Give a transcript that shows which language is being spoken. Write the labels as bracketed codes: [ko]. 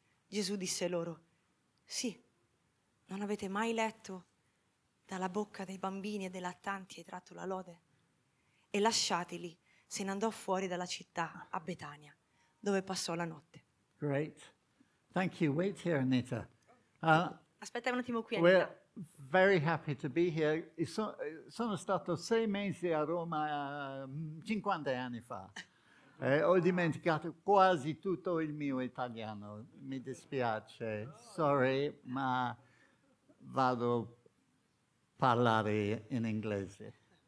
[it] Gesù disse loro: "Sì, non avete mai letto dalla bocca dei bambini e dei lattanti hai tratto la lode?" E lasciateli, se ne andò fuori dalla città a Betania, dove passò la notte. [en] Great. Thank you. Wait here, Anita. [it] Aspetta un attimo qui, Anita. [en] We're very happy to be here. [it] Sono stato 6 mesi a Roma 50 anni fa. Ho dimenticato quasi tutto il mio italiano, mi dispiace, sorry, ma vado a parlare in inglese.